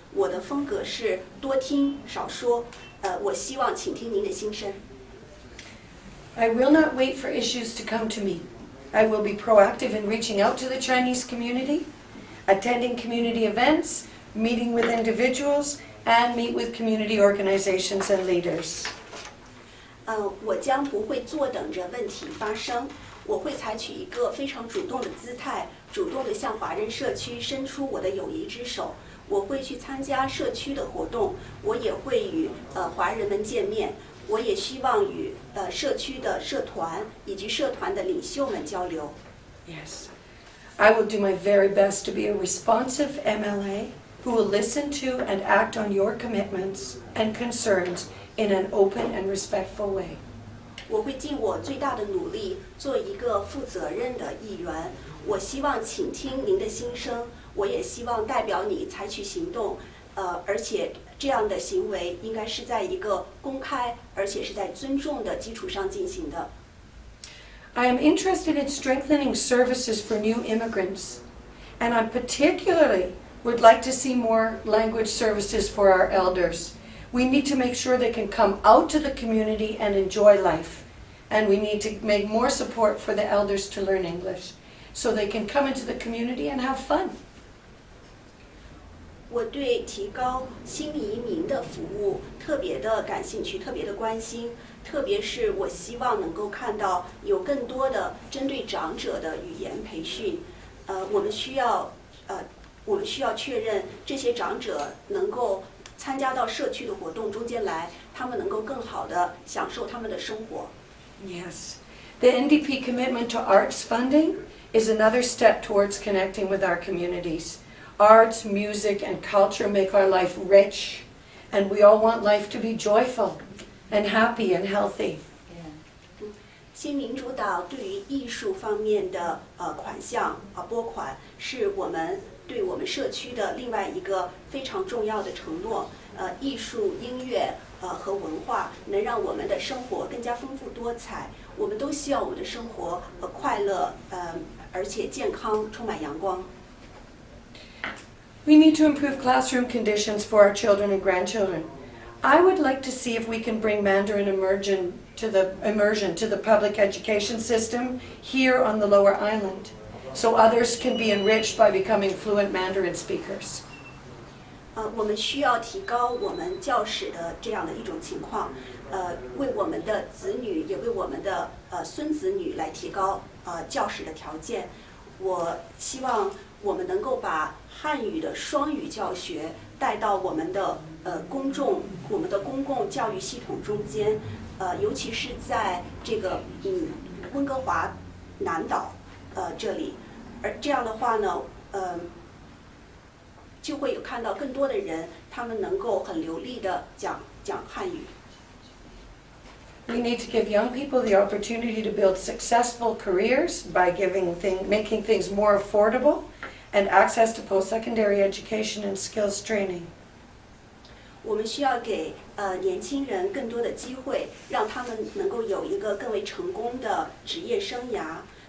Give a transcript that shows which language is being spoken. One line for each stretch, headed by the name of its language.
Chinese: 我的风格是多听少说，我希望倾听您的心声。
English: I will not wait for issues to come to me. I will be proactive in reaching out to the Chinese community, attending community events, meeting with individuals. And meet with community organizations and leaders.
Chinese: 我将不会坐等着问题发生，我会采取一个非常主动的姿态，主动地向华人社区伸出我的友谊之手。我会去参加社区的活动，我也会与华人们见面。我也希望与社区的社团以及社团的领袖们交流。
English: Yes, I will do my very best to be a responsive MLA who will listen to and act on your commitments and concerns in an open and respectful way.
Chinese: 我会尽我最大的努力做一个负责任的议员。我希望倾听您的心声，我也希望代表你采取行动。而且这样的行为应该是在一个公开而且是在尊重的基础上进行的。
English: I am interested in strengthening services for new immigrants, and I particularly would like to see more language services for our elders. We need to make sure they can come out to the community and enjoy life, and we need to make more support for the elders to learn English, so they can come into the community and have fun.
Chinese: 我对提高新移民的服务特别的感兴趣，特别的关心。特别是我希望能够看到有更多的针对长者的语言培训，我们需要确认这些长者能够参加到社区的活动中间来，他们能够更好的享受他们的生活。
English: Yes, the NDP commitment to arts funding is another step towards connecting with our communities. Arts, music, and culture make our life rich, and we all want life to be joyful. And happy and healthy. Yeah.
Chinese: 新民主党对于艺术方面的款项拨款是我们对我们社区的另外一个非常重要的承诺。艺术、音乐和文化能让我们的生活更加丰富多彩。我们都希望我们的生活快乐而且健康，充满阳光。
English: We need to improve classroom conditions for our children and grandchildren. I would like to see if we can bring Mandarin immersion to the public education system here on the Lower Island, so others can be enriched by becoming fluent Mandarin speakers.
Chinese: 我们需要提高我们教室的这样的一种情况，为我们的子女也为我们的孙子女来提高教室的条件。我希望我们能够把汉语的双语教学带到我们的公众，我们的公共教育系统中间，尤其是在这个温哥华南岛这里，而这样的话呢，就会有看到更多的人，他们能够很流利的讲汉语。
English: We need to give young people the opportunity to build successful careers by making things more affordable and access to post-secondary education and skills training.
Chinese: 我们需要给年轻人更多的机会，让他们能够有一个更为成功的职业生涯。